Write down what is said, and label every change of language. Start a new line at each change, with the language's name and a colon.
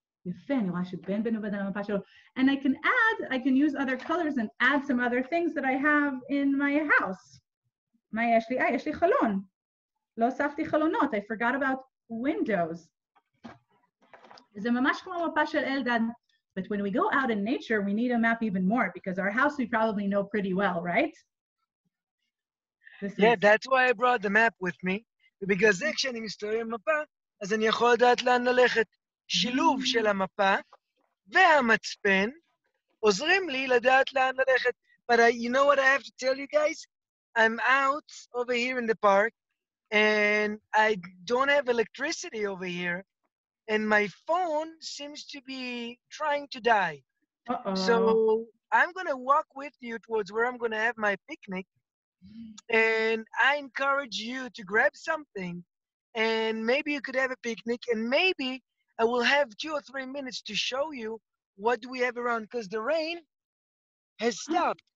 Hebrew: יפה, אני רואה שבן בן עובד על המפה שלו.
English: And I can add, I can use other colors and add some other things that I have in my house.
Hebrew: מה יש לי? יש לי חלון. לא הוספתי חלונות,
English: I forgot about windows.
Hebrew: זה ממש כמו המפה של אלדד.
English: But when we go out in nature, we need a map even more, because our house we probably know pretty well, right? Yeah, that's why I brought the map with me.
Hebrew: ובגלל זה כשאני מסתובב עם מפה, אז אני יכול לדעת לאן ללכת. שילוב של המפה והמצפן עוזרים לי לדעת לאן ללכת.
English: But I, you know what I have to tell you guys? I'm out over here in the park and I don't have electricity over here and my phone seems to be trying to die. Uh-oh. So I'm going to walk with you towards where I'm going to have my picnic and I encourage you to grab something and maybe you could have a picnic and maybe I will have 2 or 3 minutes to show you what do we have around, because the rain has stopped.